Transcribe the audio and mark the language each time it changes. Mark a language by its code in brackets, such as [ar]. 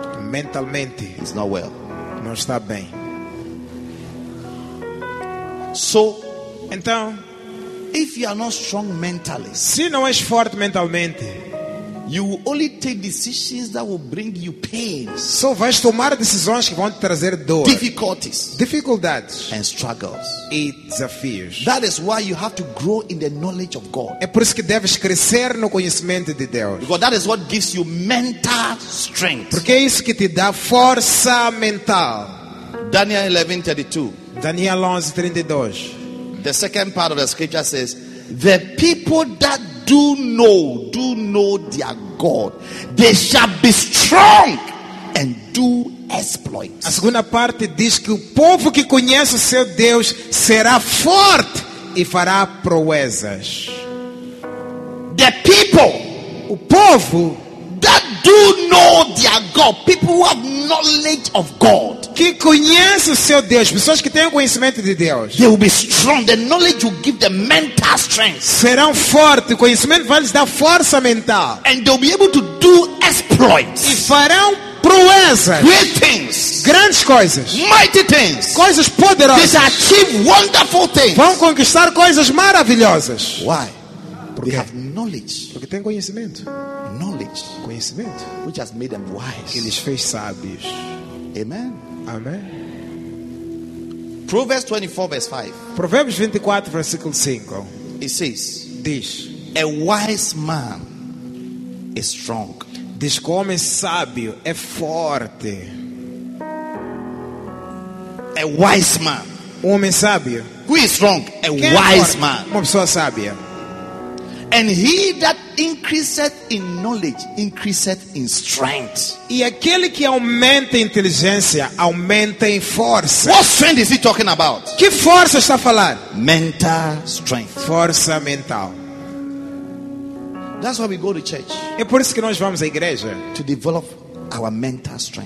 [pt] Mentalmente. [en] He's not well. [pt] Não está bem. [en] So, [pt] então, [en] if you are not strong mentally, [pt] se não és forte mentalmente, [en] you will only take decisions that will bring you pain. [pt] Só vais tomar decisões que vão te trazer dor. [en] Difficulties. [pt] Dificuldades. [en] And struggles. [pt] E desafios. [en] That is why you have to grow in the knowledge of God. [pt] É por isso que deves crescer no conhecimento de Deus. [en] Because that is what gives you mental strength. [pt] Porque é isso que te dá força mental. [en] Daniel 11:32. [pt] Daniel 11:32. [en] The second part of the scripture says, "The people that do know their God, they shall be strong and do exploits." [pt] A segunda parte diz que o povo que conhece o seu Deus será forte e fará proezas. [en] The people, [pt] o povo [en] that do know their God, people who have knowledge of God, [pt] que conhece o seu Deus, pessoas que têm conhecimento de Deus, [en] they will be strong. The knowledge will give them mental strength. [pt] Serão fortes. O conhecimento vai lhes dar força mental. [en] And they will be able to do exploits. [pt] E farão proezas. [en] Great things. [pt] Grandes coisas. [en] Mighty things. [pt] Coisas poderosas. [en] They achieve wonderful things. [pt] Vão conquistar coisas maravilhosas. [en] Why? They have knowledge. [pt] Porque tem conhecimento. [en] Knowledge. [pt] Conhecimento. [en] Which has made them wise. [pt] Que lhes fez sábios. [en] Amen. [pt] Amém. [en] Proverbs 24 verse 5. [pt] Provérbios 24 versículo 5. [en] It says, [pt] diz, [en] a wise man is strong. [pt] Diz que o homem sábio é forte. [en] A wise man. [pt] Um homem sábio. [en] Who is strong? A wise man. [pt] Uma pessoa sábia. [en] And he that increaseth in knowledge increaseth in strength. [pt] E aquele que aumenta em inteligência aumenta em força. [en] What strength is he talking about? [pt] Que força está a falar? [en] Mental strength. [pt] Força mental. [en] That's why we go to church. [pt] É por isso que nós vamos à igreja. [en] To develop our mental strength.